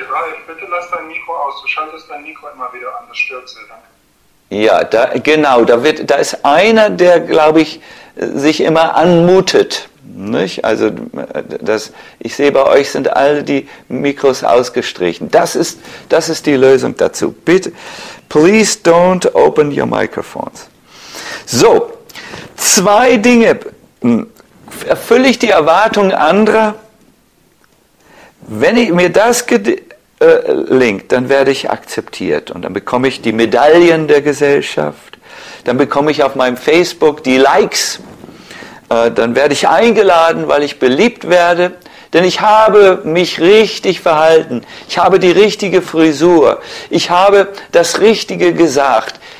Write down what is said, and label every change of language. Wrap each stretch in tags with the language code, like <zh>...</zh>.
<de>Ralf, bitte lass dein Mikro aus. Du schaltest dein Mikro immer wieder an. Das stört sehr lange. Ja, da ist einer, der, glaube ich, sich immer anmutet. Nicht? Also das, ich sehe, bei euch sind alle die Mikros ausgestrichen. Das ist die Lösung dazu.</de> <en>Bitte, please don't open your microphones.</en> <de>So, zwei Dinge. Erfülle ich die Erwartungen anderer? Wenn ich mir das gelingt, dann werde ich akzeptiert und dann bekomme ich die Medaillen der Gesellschaft, dann bekomme ich auf meinem Facebook die Likes, dann werde ich eingeladen, weil ich beliebt werde, denn ich habe mich richtig verhalten, ich habe die richtige Frisur, ich habe das Richtige gesagt.</de>